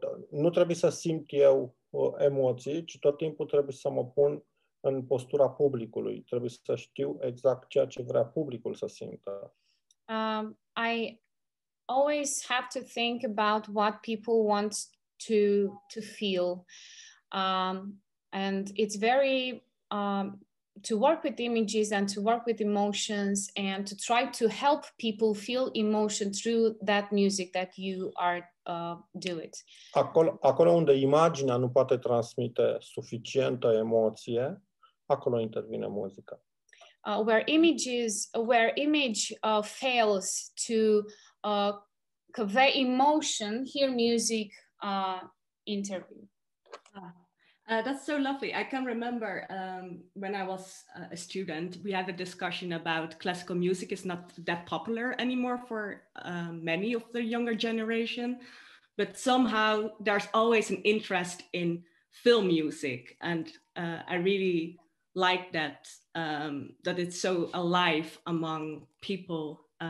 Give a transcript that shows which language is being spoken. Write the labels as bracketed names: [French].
[Romanian] Nu trebuie să simt eu emoții, ci tot timpul trebuie să mă pun în postura publicului. Trebuie să știu exact ceea ce vrea publicul să simtă. [English] I always have to think about what people want to feel. And it's very to work with images and to work with emotions and to try to help people feel emotion through that music that you are doing. [Romanian] Acolo unde imaginea nu poate transmite suficientă emoție, acolo intervine muzica. [English] Where image fails to convey emotion, here music intervene. That's so lovely. I can remember when I was a student, we had a discussion about classical music is not that popular anymore for many of the younger generation, but somehow there's always an interest in film music, and I really like that that it's so alive among people.